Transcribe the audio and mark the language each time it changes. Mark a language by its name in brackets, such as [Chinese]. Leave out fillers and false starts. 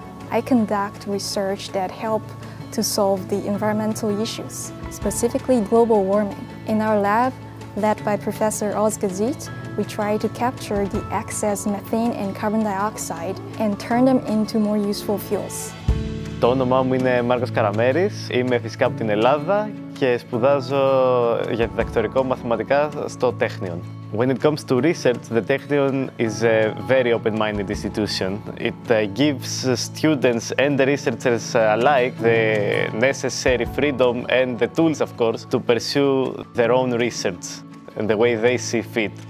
[English] I conduct research that help to solve the environmental issues, specifically global warming. In our lab, led by Professor Oz Gazit, we try to capture the excess methane and carbon dioxide and turn them into more useful fuels. [Greek] Το όνομά μου είναι Μάρκος Καραμέρης, είμαι φυσικά από την Ελλάδα και σπουδάζω για διδακτορικό μαθηματικά στο Technion. [English] When it comes to research, the Technion is a very open-minded institution. It gives students and the researchers alike the necessary freedom and the tools, of course, to pursue their own research and the way they see fit.